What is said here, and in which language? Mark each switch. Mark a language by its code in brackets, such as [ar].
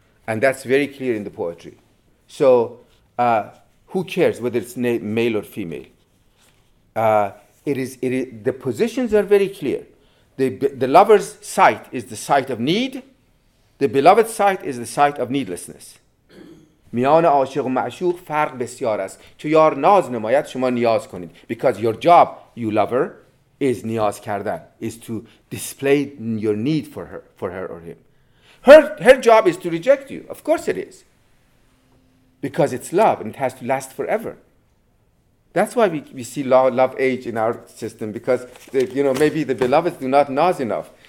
[en] And that's very clear in the poetry. So who cares whether it's male or female? The positions are very clear. The lover's sight is the sight of need. The beloved's sight is the sight of needlessness. [fa] میان عاشق و معشوق فرق بسیار است. تو یار ناز نماید شما نیاز کنید. [en] Because your job, you lover, is [fa] نیاز کردن. [en] Is to display your need for her or him. Her job is to reject you. Of course it is. Because it's love and it has to last forever. That's why we see love age in our system, because maybe the beloveds do not nose enough.